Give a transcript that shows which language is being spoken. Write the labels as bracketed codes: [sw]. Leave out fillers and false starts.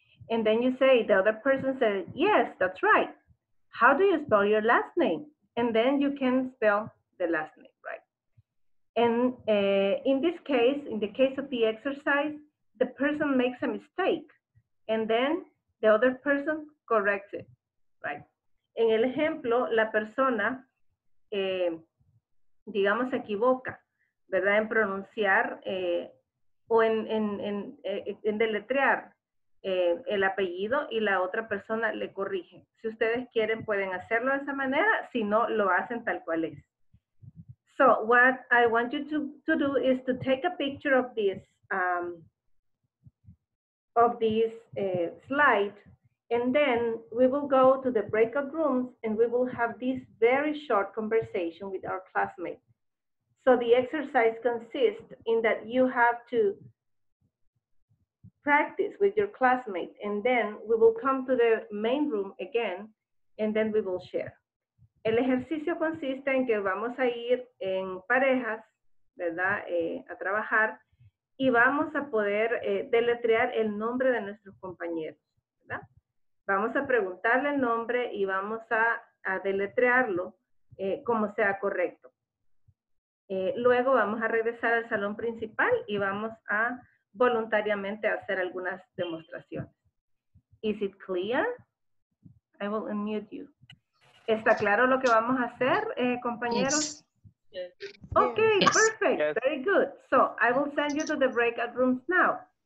[en] And then you say, the other person said, yes, that's right. How do you spell your last name? And then you can spell the last name, right? And in this case, in the case of the exercise, the person makes a mistake and then the other person corrects it, right? [es] En el ejemplo, la persona, digamos, se equivoca, ¿verdad? En pronunciar o en deletrear el apellido y la otra persona le corrige. Si ustedes quieren, pueden hacerlo de esa manera, si no, lo hacen tal cual es. [en] So what I want you to do is to take a picture of this slide, and then we will go to the breakout rooms and we will have this very short conversation with our classmates. So the exercise consists in that you have to practice with your classmates, and then we will come to the main room again and then we will share. [es] El ejercicio consiste en que vamos a ir en parejas, ¿verdad?, a trabajar y vamos a poder deletrear el nombre de nuestros compañeros, ¿verdad? Vamos a preguntarle el nombre y vamos a deletrearlo como sea correcto. Luego vamos a regresar al salón principal y vamos a voluntariamente hacer algunas demostraciones. [en] Is it clear? I will unmute you. [es] ¿Está claro lo que vamos a hacer, compañeros? [en] Yes. Okay, yes. Perfect. Yes. Very good. So I will send you to the breakout rooms now.